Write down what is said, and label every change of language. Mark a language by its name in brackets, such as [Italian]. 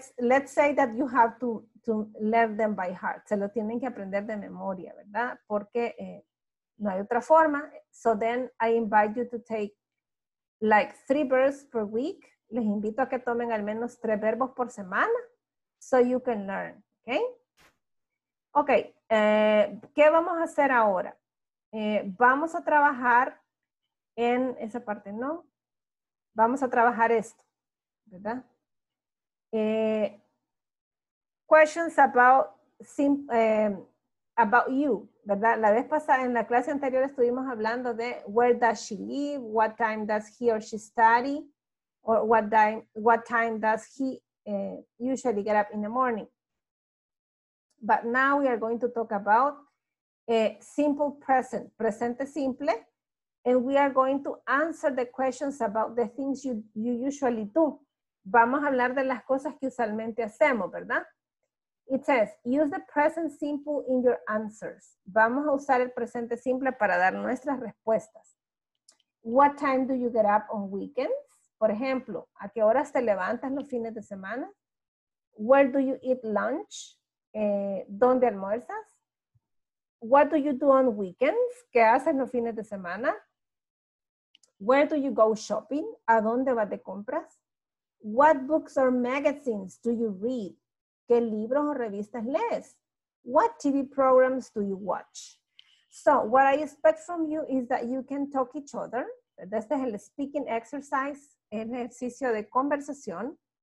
[English] Let's say that you have to learn them by heart. [Spanish] Se lo tienen que aprender de memoria, ¿verdad? Porque no hay otra forma. [English] So then I invite you to take like 3 verbs per week. [Spanish] Les invito a que tomen al menos 3 verbos por semana. [English] So you can learn, okay? Okay, [Spanish] ¿qué vamos a hacer ahora? Vamos a trabajar en esa parte, ¿no? Vamos a trabajar esto, ¿verdad? [English] Questions about you, [Spanish] ¿verdad? La vez pasada, en la clase anterior estuvimos hablando de [English] where does she live, what time does he or she study, or what time does he usually get up in the morning. But now we are going to talk about simple present, [Spanish] presente simple, [English] and we are going to answer the questions about the things you usually do. [Spanish] Vamos a hablar de las cosas que usualmente hacemos, ¿verdad? [English] It says, use the present simple in your answers. [Spanish] Vamos a usar el presente simple para dar nuestras respuestas. [English] What time do you get up on weekends? [Spanish] Por ejemplo, ¿a qué horas te levantas los fines de semana? [English] Where do you eat lunch? [Spanish] ¿Dónde almuerzas? [English] What do you do on weekends? [Spanish] ¿Qué haces los fines de semana? [English] Where do you go shopping? [Spanish] ¿A dónde vas de compras? [English] What books or magazines do you read? ¿Qué libros o revistas lees? What TV programs do you watch? So, what I expect from you is that you can talk each other. [Spanish] Este es el [English] speaking exercise, [Spanish] el ejercicio de conversación.